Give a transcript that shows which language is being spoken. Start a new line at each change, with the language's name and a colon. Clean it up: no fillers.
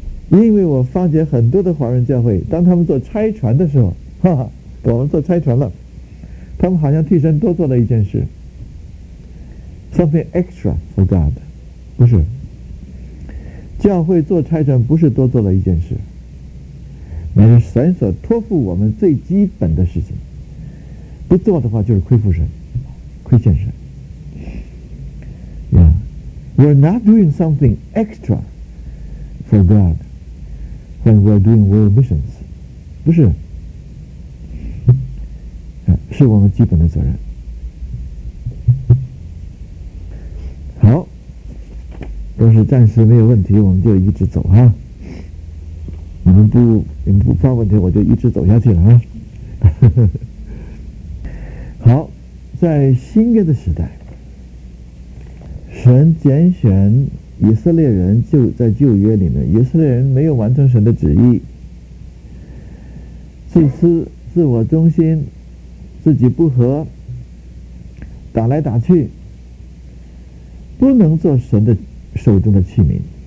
Chinese: 因为我发觉很多的华人教会，当他们做差传的时候，哈哈，我们做差传了，他们好像替神多做了一件事 ，
English: something extra for God，
Chinese: 不是。教会做差传不是多做了一件事。乃是神所托付我们最基本的事情，不做的话就是亏负神，亏欠神。
English: Yeah. We're not doing something extra for God when we're doing world missions，
Chinese: 不是，是我们基本的责任。好，若是暂时没有问题，我们就一直走哈。你们不发问题，我就一直走下去了啊。好，在新约的时代，神拣选以色列人，就在旧约里面，以色列人没有完成神的旨意，自私、自我中心，自己不和，打来打去，不能做神的手中的器皿。